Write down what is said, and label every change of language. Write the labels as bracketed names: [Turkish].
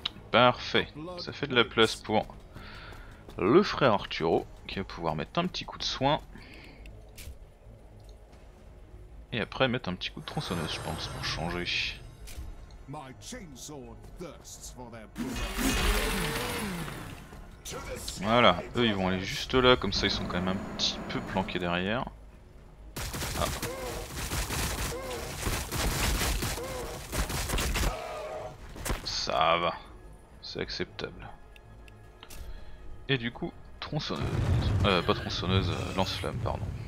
[French] Parfait, ça fait de la place pour le frère Arturo qui va pouvoir mettre un petit coup de soin et après mettre un petit coup de tronçonneuse, je pense, pour changer. [English] My chainsaw thirsts for their blood. [French] Voilà, eux ils vont aller juste là, comme ça ils sont quand même un petit peu planqués derrière. Ah. Ça va, c'est acceptable. Et du coup, tronçonneuse, pas tronçonneuse, lance-flamme, pardon.